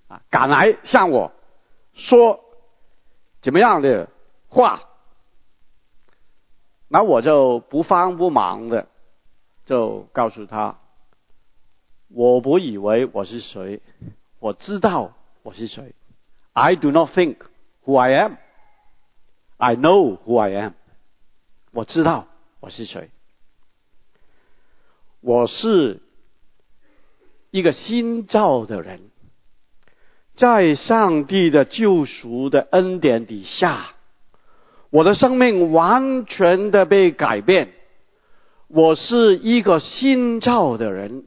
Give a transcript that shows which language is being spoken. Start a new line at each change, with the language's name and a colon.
Chinese: 敢来向我说怎么样的话？那我就不慌不忙的就告诉他，我不以为我是谁，我知道我是谁。
English: I do not think who I am, I know who I am,
Chinese: 我知道我是谁。我是一个新造的人，在上帝的救赎的恩典底下，我的生命完全的被改变，我是一个新造的人。